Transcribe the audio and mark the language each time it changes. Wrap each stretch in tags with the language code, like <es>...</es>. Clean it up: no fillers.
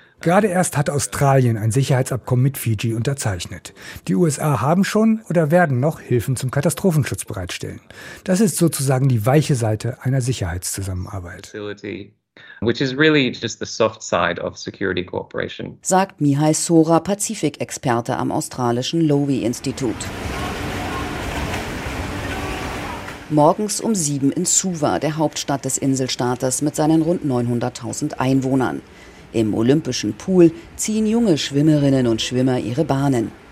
<de>Gerade erst hat Australien ein Sicherheitsabkommen mit Fidschi unterzeichnet. Die USA haben schon oder werden noch Hilfen zum Katastrophenschutz bereitstellen. Das ist sozusagen die weiche Seite einer Sicherheitszusammenarbeit.</de> <en>Which is really just the soft side of security cooperation,</en> <de>sagt Mihai Sora, Pazifikexperte am australischen Lowy-Institut. Morgens um 7 in Suva, der Hauptstadt des Inselstaates mit seinen rund 900.000 Einwohnern. Im olympischen Pool ziehen junge Schwimmerinnen und Schwimmer ihre Bahnen.</de>